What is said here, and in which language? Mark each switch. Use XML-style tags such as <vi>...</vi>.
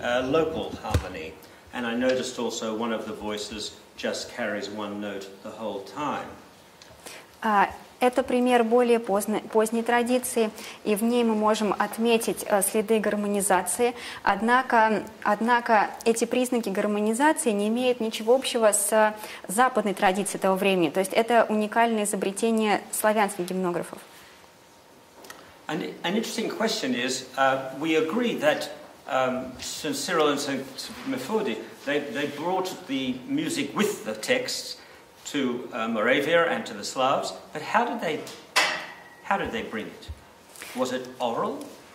<en>Local harmony, and I noticed also one of the voices just carries one note the whole time.</en> <ru>Это пример более поздней традиции, и в ней мы можем отметить следы гармонизации. Однако эти признаки гармонизации не имеют ничего общего с западной традицией того времени. То есть это уникальное изобретение славянских гимнографов.</ru> <en>An interesting question is, we agree that Saint Cyril and Saint Methode, they brought the music with the texts to Moravia and to the Slavs. But how did they bring it? Was it oral?</en>